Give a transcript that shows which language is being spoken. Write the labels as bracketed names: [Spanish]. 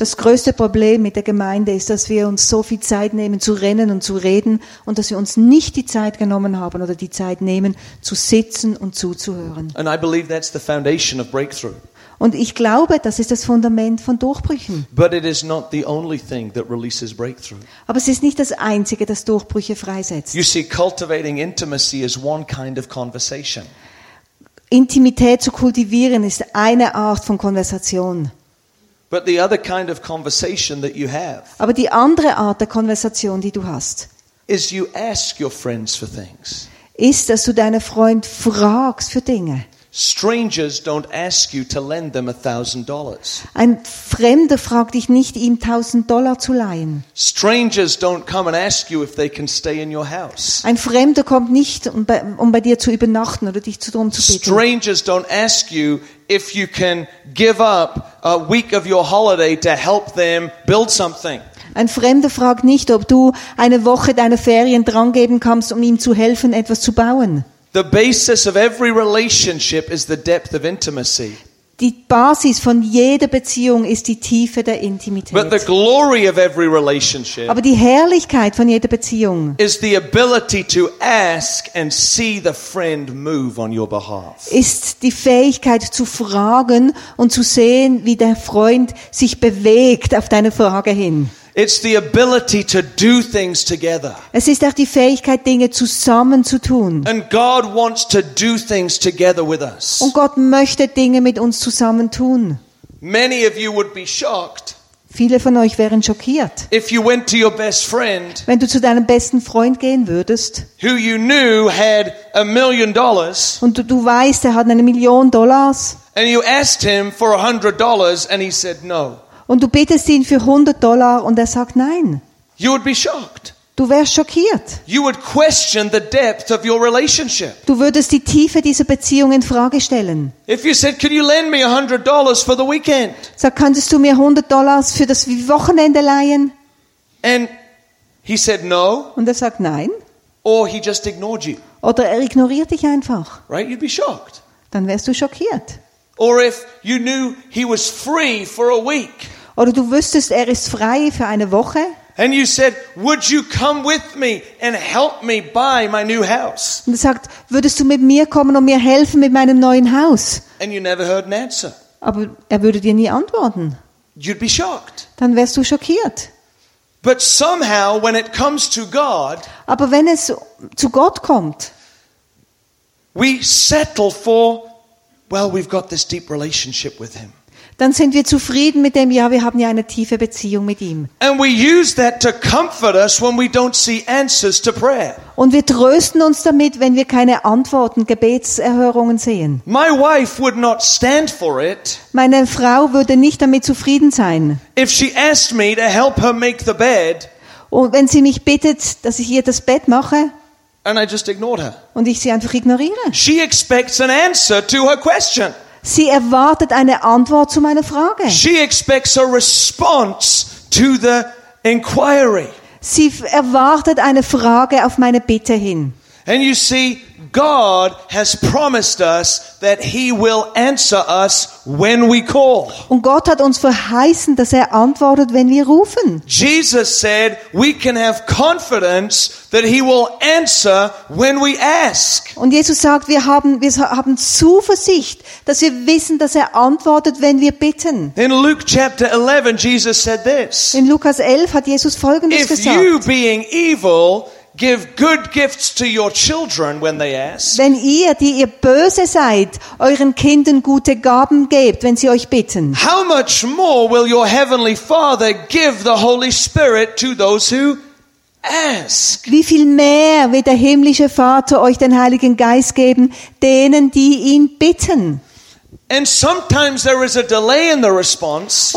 [German] Das größte Problem mit der Gemeinde ist, dass wir uns so viel Zeit nehmen zu rennen und zu reden und dass wir uns nicht die Zeit genommen haben oder die Zeit nehmen zu sitzen und zuzuhören. [English] And I believe that's the foundation of breakthrough. [German] Und ich glaube, das ist das Fundament von Durchbrüchen. [English] But it is not the only thing that releases breakthrough. [German] Aber es ist nicht das Einzige, das Durchbrüche freisetzt. [English] You see, cultivating intimacy is one kind of conversation. [German] Intimität zu kultivieren ist eine Art von Konversation. [English] But the other kind of conversation that you have, [German] aber die andere Art der Konversation, die du hast, [English] is you ask your friends for things. [German] Ist, dass du deine Freunde fragst für Dinge. [English] Strangers don't ask you to lend them $1,000. [German] Ein Fremder fragt dich nicht, ihm $1,000 zu leihen. [English] Strangers don't come and ask you if they can stay in your house. [German] Ein Fremder kommt nicht, um bei dir zu übernachten oder dich darum zu bitten. [English] Strangers don't ask you if you can give up a week of your holiday to help them build something. [German] Ein Fremder fragt nicht, ob du eine Woche deiner Ferien drangeben kannst, um ihm zu helfen, etwas zu bauen. [English] The basis of every relationship is the depth of intimacy. [German] Die Basis von jeder Beziehung ist die Tiefe der Intimität. [English] But the glory of every relationship, [German] aber die Herrlichkeit von jeder Beziehung, [English] is the ability to ask and see the friend move on your behalf. [German] Ist die Fähigkeit zu fragen und zu sehen, wie der Freund sich bewegt auf deine Frage hin. [English] It's the ability to do things together. [German] Es ist auch die Fähigkeit, Dinge zusammen zu tun. [English] And God wants to do things together with us. [German] Und Gott möchte Dinge mit uns zusammen tun. [English] Many of you would be shocked. [German] Viele von euch wären schockiert. [English] If you went to your best friend, [German] wenn du zu deinem besten Freund gehen würdest, [English] who you knew had $1,000,000, [German] und du weißt, er hat $1,000,000, [English] and you asked him for $100 and he said no. [German] Und du betest ihn für $100 und er sagt nein. [English] You would be shocked. [German] Du wärst schockiert. [English] You would question the depth of your relationship. [German] Du würdest die Tiefe dieser Beziehung in Frage stellen. [English] If you said, "Could you lend me $100 for the weekend?" [German] Sag, könntest du mir $100 für das Wochenende leihen? [English] And he said no. [German] Und er sagt nein. [English] Or he just ignored you. [German] Oder er ignoriert dich einfach. [English] Right? You'd be shocked. [German] Dann wärst du schockiert. [English] Or if you knew he was free for a week. [German] Oder du wüsstest, er ist frei für eine Woche. [English] And you said, "Would you come with me and help me buy my new house?" [German] Und er sagt, würdest du mit mir kommen und mir helfen mit meinem neuen Haus? [English] And you never heard an answer. [German] Aber er würde dir nie antworten. [English] You'd be shocked. [German] Dann wärst du schockiert. [English] But somehow when it comes to God, [German] aber wenn es zu Gott kommt, [English] we settle for, well, we've got this deep relationship with him. [German] Dann sind wir zufrieden mit dem, ja, wir haben ja eine tiefe Beziehung mit ihm. [English] And we use that to comfort us when we don't see answers to prayer. [German] Und wir trösten uns damit, wenn wir keine Antworten, Gebetserhörungen sehen. [English] My wife would not stand for it. [German] Meine Frau würde nicht damit zufrieden sein. [English] If she asked me to help her make the bed. [German] Und wenn sie mich bittet, dass ich ihr das Bett mache. [English] And I just ignored her. [German] Und ich sie einfach ignoriere. [English] She expects an answer to her question. [German] Sie erwartet eine Antwort zu meiner Frage. [English] She expects a response to the inquiry. [German] Sie erwartet eine Frage auf meine Bitte hin. [English] And you see, God has promised us that he will answer us when we call. [German] Und Gott hat uns verheißen, dass er antwortet, wenn wir rufen. [English] Jesus said, we can have confidence that he will answer when we ask. [German] Und Jesus sagt, wir haben Zuversicht, dass wir wissen, dass er antwortet, wenn wir bitten. [English] In Luke chapter 11, Jesus said this. [German] In Lukas 11 hat Jesus Folgendes gesagt. [English] If you being evil give good gifts to your children when they ask. [German] Wenn ihr, die ihr böse seid, euren Kindern gute Gaben gebt, wenn sie euch bitten. [English] How much more will your heavenly Father give the Holy Spirit to those who ask? [German] Wie viel mehr wird der himmlische Vater euch den Heiligen Geist geben, denen, die ihn bitten? [English] And sometimes there is a delay in the response.